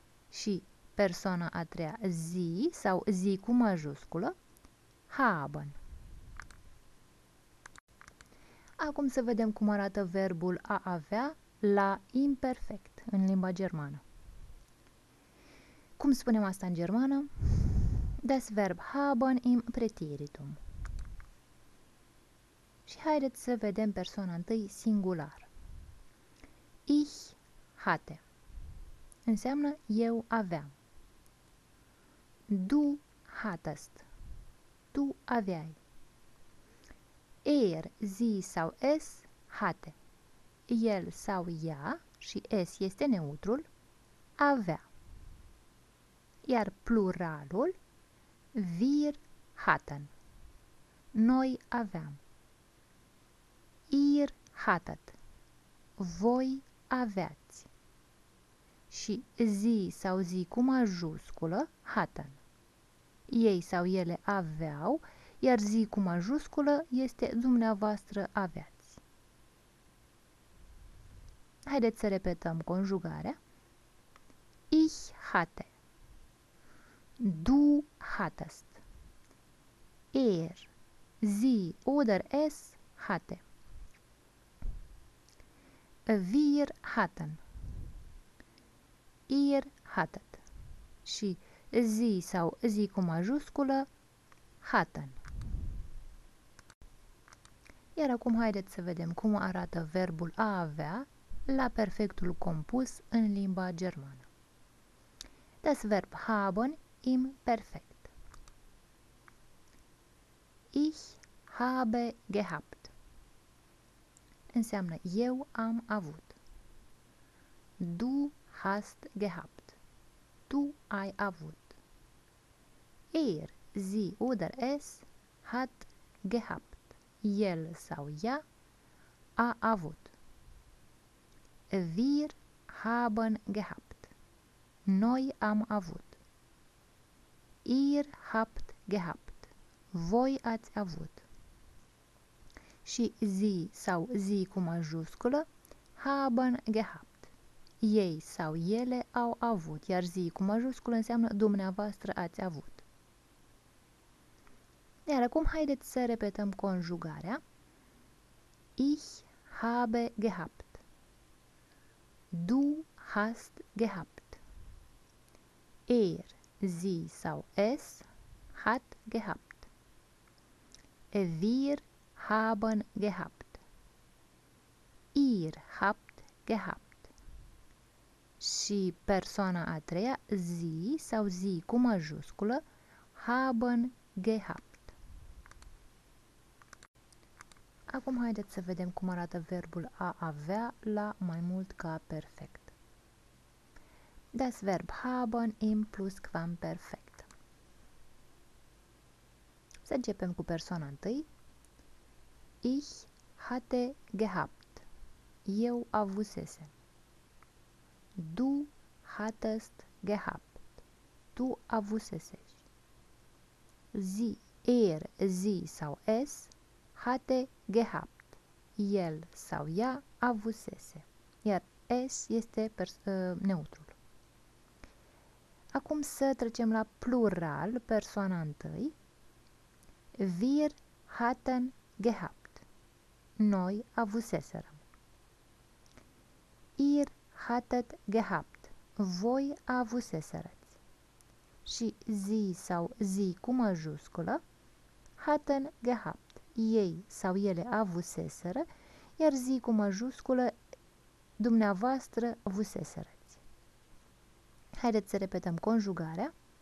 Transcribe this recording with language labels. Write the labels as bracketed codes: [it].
[ro] Și persoana a treia, sie sau sie cu majusculă, haben. Acum să vedem cum arată verbul a avea la imperfect în limba germană. Cum spunem asta în germană? [de] Das Verb haben im Präteritum. [ro] Și haideți să vedem persoana întâi singular. [de] Ich hatte. [ro] Înseamnă eu aveam. [de] Du hattest. [ro] Tu aveai. [de] Er, sie sau es hatte. [ro] El sau ea, și es este neutrul, avea. Iar pluralul, [de] wir hatten. [ro] Noi aveam. [de] Ihr hattet. [ro] Voi aveați. Și sie sau sie cu majusculă, hatten. Ei sau ele aveau, iar zi cu majusculă este dumneavoastră aveați. Haideți să repetăm conjugarea. [de] Ich hatte. Du hattest. Er, sie oder es hatte. Wir hatten. Ihr hattet. [ro] Și zi sau zi cu majusculă, hatten. Iar acum haideți să vedem cum arată verbul a avea la perfectul compus în limba germană. [de] Das Verb haben im Perfekt. Ich habe gehabt. [ro] Înseamnă eu am avut. [de] Du hast gehabt. [ro] Tu ai avut. [de] Er, sie oder es hat gehabt. [ro] el sau ea a avut. [de] Wir haben gehabt. [ro] Noi am avut. [de] Ihr habt gehabt. [ro] Voi ați avut. Și sie sau sie cu majusculă [de] haben gehabt. [ro] Ei sau ele au avut, iar sie cu majusculă înseamnă dumneavoastră ați avut. Iar acum haideți să repetăm conjugarea. [de] Ich habe gehabt. Du hast gehabt. Sie sau es hat gehabt. Wir haben gehabt. Ihr habt gehabt. [ro] Și persoana a treia, sie sau sie cu majusculă, haben gehabt. Acum haideți să vedem cum arată verbul a avea la mai mult ca perfect. [de] Das Verb haben im Plusquamperfekt. [ro] Să începem cu persoana întâi. [de] Ich hatte gehabt. [ro] Eu avusese. [de] Du hattest gehabt. [ro] Tu avusesești. [de] Sie sau es hatte gehabt. [ro] El sau ea avusese. Iar es este neutru. Acum să trecem la plural, persoana întâi. [de] Wir hatten gehabt. [ro] Noi avuseserăm. [de] Ihr hattet gehabt. [ro] Voi avuseserăți. Și sie sau sie cu majusculă [de] hatten gehabt. [ro] Ei sau ele avuseseră, iar sie cu majusculă dumneavoastră avuseseră. Haideți să repetăm conjugarea.